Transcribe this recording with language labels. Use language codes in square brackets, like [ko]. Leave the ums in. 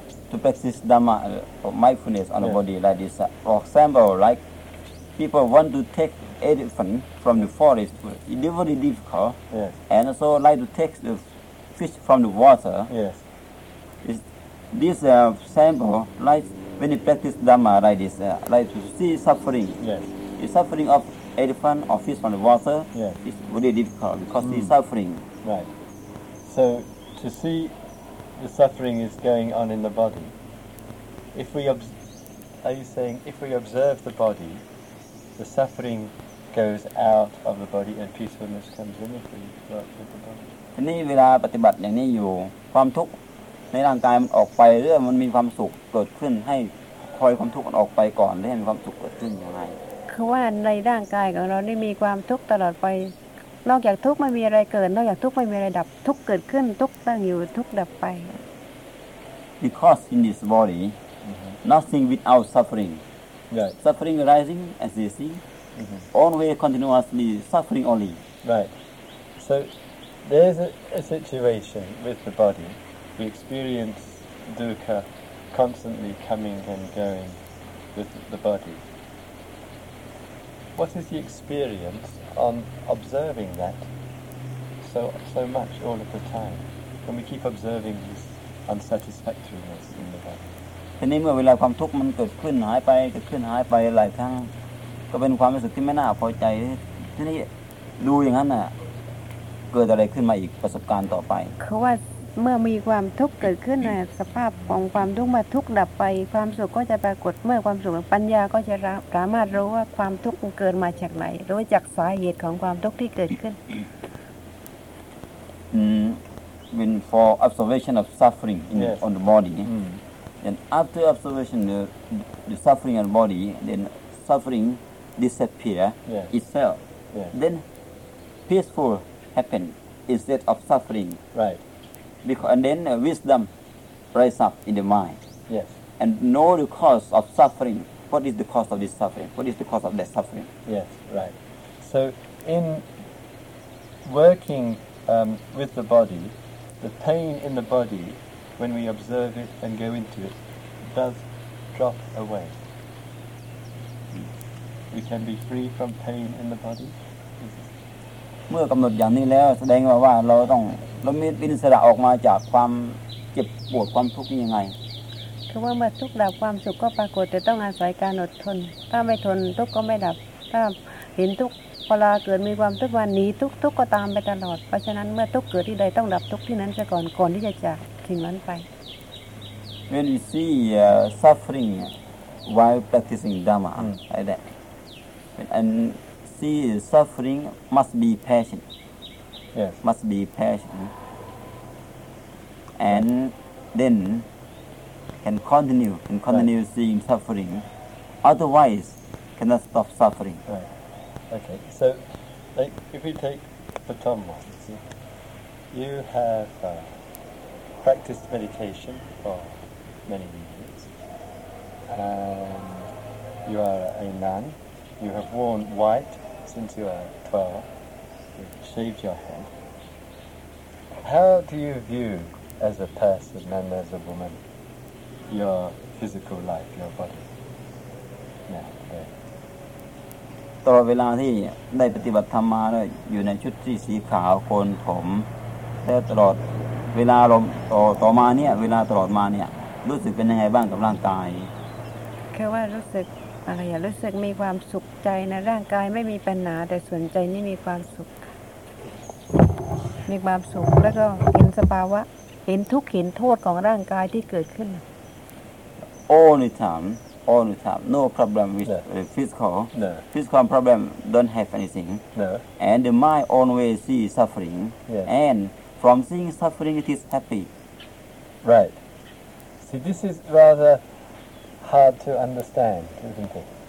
[en] to practice Dhamma uh, or mindfulness on the Yeah. body like this. Uh, For example, like people want to take elephant from the forest it's very difficult. Yes. And also like to take the fish from the water. Yes. It's, this uh, sample, like when you practice Dhamma like this, uh, like to see suffering. Yes. The suffering of elephant or fish from the water Yes. is very difficult because the suffering. Right. So to see the suffering is going on in the body. If we obs- are you saying if we observe the body, the suffering goes out of the body and peacefulness comes in if we work with the body. [th] ทีนี้เวลาปฏิบัติอย่างนี้อยู่ความทุกข์ในร่างกายมันออกไปเรื่อยมันมีความสุขเกิดขึ้นให้คอยความทุกข์มันออกไปก่อนแล้วให้มีความสุขเกิดขึ้นอย่างไร คือว่าในร่างกายของเราได้มีความทุกข์ตลอดไป นอกจากทุกข์ไม่มีอะไรเกิด นอกจากทุกข์ไม่มีอะไรดับ ทุกข์เกิดขึ้น ทุกข์ตั้งอยู่ ทุกข์ดับไป [en] because in this body nothing without suffering Right. suffering arising and ceasing always continuously suffering only Right. So there's a, a situation with the body. We experience dukkha constantly coming and going with the body. What is the experience on observing that so so much all of the time? When we keep observing this unsatisfactoriness in the body. [th] ทีนี้เมื่อเวลาความทุกข์มันเกิดขึ้นหายไปเกิดขึ้นหายไปหลายครั้ง ก็เป็นความรู้สึกที่ไม่น่าพอใจทีนี้ดูอย่างนั้นน่ะเกิดอะไรขึ้นมาอีกประสบการณ์ต่อไป คือว่าเมื่อมีความทุกข์เกิดขึ้นนะสภาพของความทุกข์มาทุกข์ดับไป ความสุขก็จะปรากฏเมื่อความสุขปัญญาก็จะรับสามารถรู้ว่าความทุกข์มันเกิดมาจากไหนรู้จักสาเหตุของความทุกข์ที่เกิดขึ้น [en] mm, when for observation of suffering in, Yes. on the body. Mm. Then after observation, the, the suffering on body, then suffering disappear Yes. itself. Yes. Then peaceful happen instead of suffering. Right. Because and then uh, wisdom rise up in the mind Yes. and know the cause of suffering. What is the cause of this suffering? What is the cause of that suffering? Yes, right. So in working um, with the body, the pain in the body, when we observe it and go into it, does drop away. We can be free from pain in the body. [th] เมื่อกำหนดอย่างนี้แล้วแสดงว่าว่าเราต้องเรามีอิสระออกมาจากความเจ็บปวดความทุกข์นี้ยังไง คือว่าเมื่อทุกข์ดับความสุขก็ปรากฏแต่ต้องอาศัยการอดทน ถ้าไม่ทนทุกข์ก็ไม่ดับ ถ้าเห็นทุกข์พอลาเกิดมีความทุกข์วันนี้ทุกข์ทุกข์ก็ตามไปตลอด เพราะฉะนั้นเมื่อทุกข์เกิดที่ใดต้องดับทุกข์ที่นั้นซะก่อนก่อนที่จะจากสิ่งนั้นไป [en] when we see uh, suffering while practicing Dhamma, like that, and see suffering must be patient, Yes, must be patient, and then can continue, can continue seeing suffering. Otherwise, cannot stop suffering. right. Okay, so like, if we take the Tom one, see, you have uh, practiced meditation for many years. Um, you are a nun. You have worn white since you are 12. You've shaved your head. How do you view, as a person and as a woman, your physical life, your body? Now, there. [th] ตลอดเวลาที่ได้ปฏิบัติธรรมมาเนี่ยอยู่ในชุดที่สีขาวโคนผมและตลอดเวลาลมต่อต่อมาเนี่ย เวลาตลอดมาเนี่ย รู้สึกเป็นยังไงบ้างกับร่างกาย คือว่ารู้สึกอะไรอะรู้สึกมีความสุขใจในะร่างกายไม่มีปัญหาแต่ส่วนใจนี่มีความสุข มีความสุขแล้วก็เห็นสภาวะ เห็นทุกข์เห็นโทษของร่างกายที่เกิดขึ้น [en] all the time all the time no problem with Yeah. uh, physical No, physical problem don't have anything no, and the mind always see suffering Yeah. and from seeing suffering it is happy Right. See, this is rather hard to understand, isn't it?